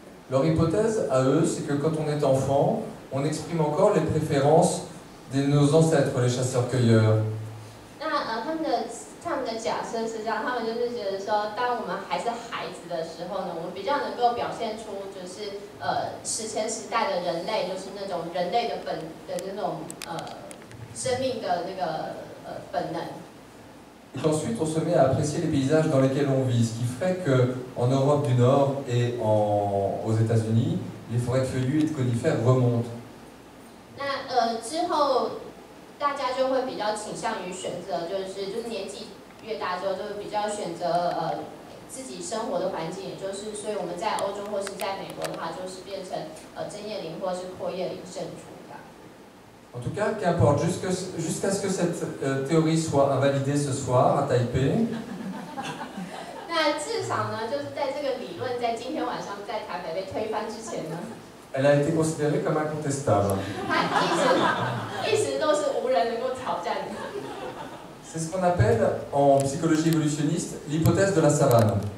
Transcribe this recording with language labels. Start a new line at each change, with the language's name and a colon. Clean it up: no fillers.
French: Leur hypothèse à eux, c'est que quand on est enfant, on exprime encore les préférences de nos ancêtres, les chasseurs-cueilleurs.
Chinese: 那他们的假设是这样，他们就是觉得说，当我们还是孩子的时候呢，我们比较能够表现出就是史前时代的人类，就是那种人类的本的那种生命的那个本能。
French: Et ensuite, on se met à apprécier les paysages dans lesquels on vit, ce qui ferait qu'en Europe du Nord et aux États-Unis, les forêts de feuillus et de conifères remontent.
Chinese: 那之后，大家就会比较倾向于选择，就是年纪越大之后，就比较选择自己生活的环境，也就是所以我们在欧洲或是在美国的话，就是变成针叶林或是阔叶林胜出。
French: En tout cas, qu'importe, jusqu'à ce que cette théorie soit invalidée ce soir à Taipei.
Chinese: 那至少呢，就是在这个理论在今天晚上在台北被推翻之前呢。
French: Elle a été considérée comme incontestable.
Chinese: 一直都是无人能够挑战的。
French: C'est ce qu'on appelle en psychologie évolutionniste l'hypothèse de la savane.